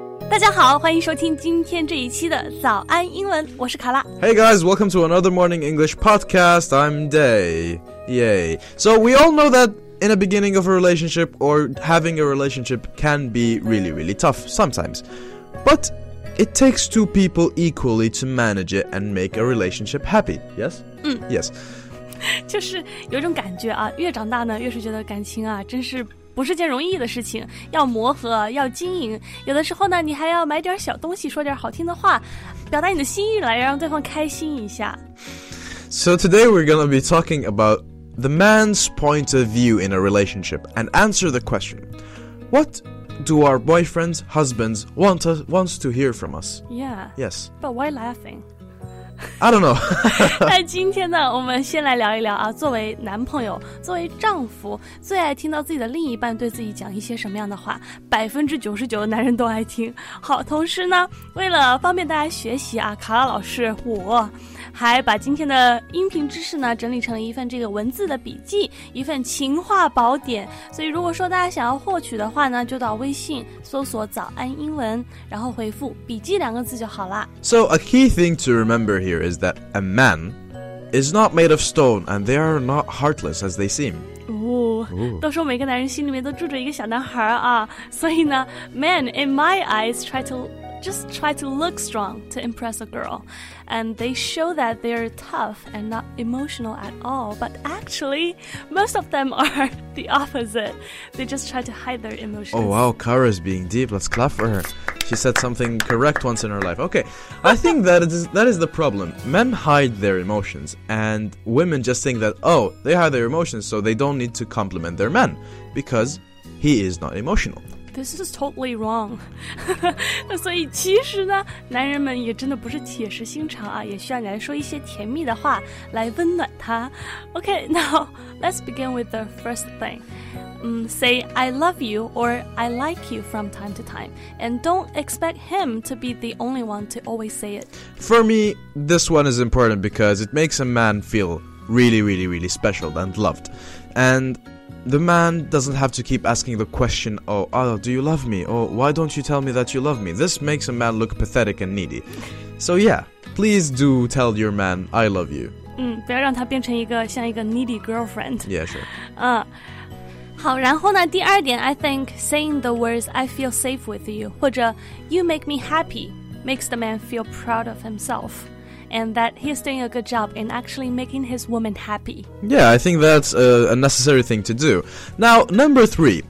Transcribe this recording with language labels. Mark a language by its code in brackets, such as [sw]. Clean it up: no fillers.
[zh] 大家好，欢迎收听今天这一期的早安英文，我是卡拉。 [en] Hey guys, welcome to another morning English podcast. I'm Day. Yay. So we all know that in the beginning of a relationship or having a relationship can be really, really tough sometimes. But it takes two people equally to manage it and make a relationship happy. Yes? Yes. [zh] 就是有种感觉啊，越长大呢，越是觉得感情啊，真是不是件容易的事情，要磨合，要经营，有的时候呢，你还要买点小东西，说点好听的话，表达你的心意来，让对方开心一下。 [en] So today we're going to be talking about the man's point of view in a relationship and answer the question, what do our boyfriends, husbands want to hear from us? Yeah. Yes. But why laughing? I don't know. [zh] 那今天呢，我们先来聊一聊啊，作为男朋友，作为丈夫，最爱听到自己的另一半对自己讲一些什么样的话？ 99%的男人都爱听。好，同时呢，为了方便大家学习啊，卡拉老师，我还把今天的音频知识呢整理成了一份这个文字的笔记，一份情话宝典。所以如果说大家想要获取的话呢，就到微信搜索早安英文，然后回复笔记两个字就好了。 [en] So a key thing to remember here is that a man is not made of stone and they are not heartless as they seem. Ooh. [zh] 都说每个男人心里面都住着一个小男孩啊，所以呢 [en] men in my eyes try to look strong to impress a girl. And they show that they're tough and not emotional at all. But actually, most of them are the opposite. They just try to hide their emotions. Oh, wow. Kara's being deep. Let's clap for her. She said something correct once in her life. Okay. I think that is the problem. Men hide their emotions. And women just think that, oh, they hide their emotions, so they don't need to compliment their men. Because he is not emotional. This is totally wrong. [zh] 那所以其实呢，男人们也真的不是铁石心肠啊，也需要你来说一些甜蜜的话来温暖他。 [en] Okay, now let's begin with the first thing. Say I love you or I like you from time to time, and don't expect him to be the only one to always say it. For me, this one is important because it makes a man feel really, really, really special and loved, and. The man doesn't have to keep asking the question, oh, do you love me? Or why don't you tell me that you love me? This makes a man look pathetic and needy. So yeah, please do tell your man, I love you. [zh] 不要让他变成一个像一个 [en] needy girlfriend. Yeah, sure. [zh] 好，然后呢，第二点 [en] I think saying the words, I feel safe with you, [zh] 或者 [en] you make me happy, makes the man feel proud of himself. And that he's doing a good job in actually making his woman happy. Yeah, I think that's a necessary thing to do. Now, number three.